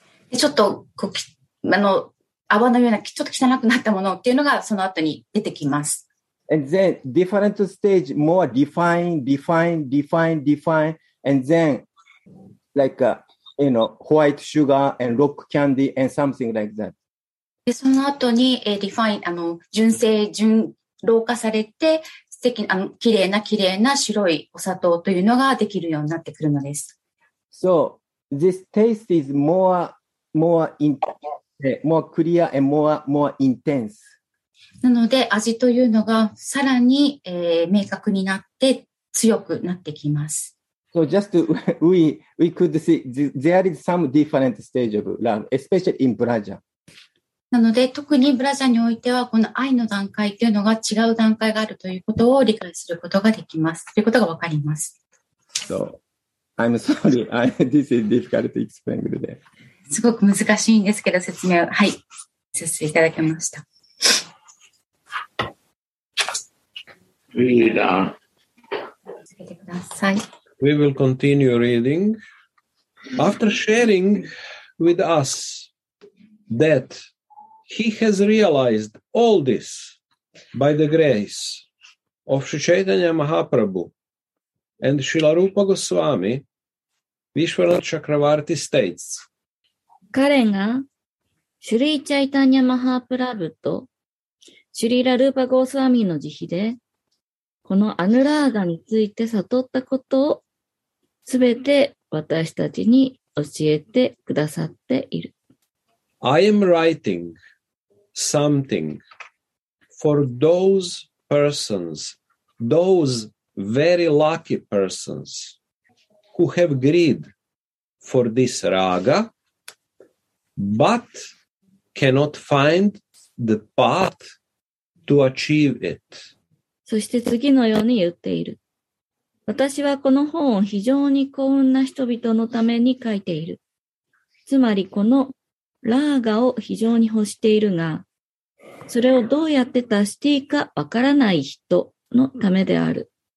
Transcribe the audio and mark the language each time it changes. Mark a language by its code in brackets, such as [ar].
[ja] ちょっとこう泡のようなちょっと汚くなったものっていうのがその後に出てきます。 [en] And then different stage more refine, and then like a, you know, white sugar and rock candy and something like that. [ja] でその後に refine 純老化されて素敵な綺麗な白いお砂糖というのができるようになってくるのです。 [en] So this taste is more clear and more intense. [ja] なので味というのがさらに、明確になって強くなってきます。 [en] So just we could see there is some different stage of love, especially in Braja. [ja] なので特にブラジャにおいてはこの愛の段階というのが違う段階があるということを理解することができます。ということがわかります。 [en] So I'm sorry, this is difficult to explain today. [ja] すごく難しいんですけど説明を、はい、させていただきました。 [en] Read it on. [ja] 続けてください。 [en] We will continue reading. After sharing with us that he has realized all this by the grace of Sri Chaitanya Mahaprabhu and Srila Rupa Goswami, Vishwanath Chakravarti states, [ja] 彼がシュリー・チャイタニャ・マハープラブとシュリー・ラルーパ・ゴースワミの慈悲でこのアヌラーガについて悟ったことをすべて私たちに教えてくださっている。 [en] I am writing something for those persons, those very lucky persons who have greed for this raga. But cannot find the path to achieve it. [ja] そして次のように言っている。私はこの本を非常に幸運な人々のために書いている。つまりこのラーガを非常に欲しているが、それをどうやって達していいかわからない人のためである。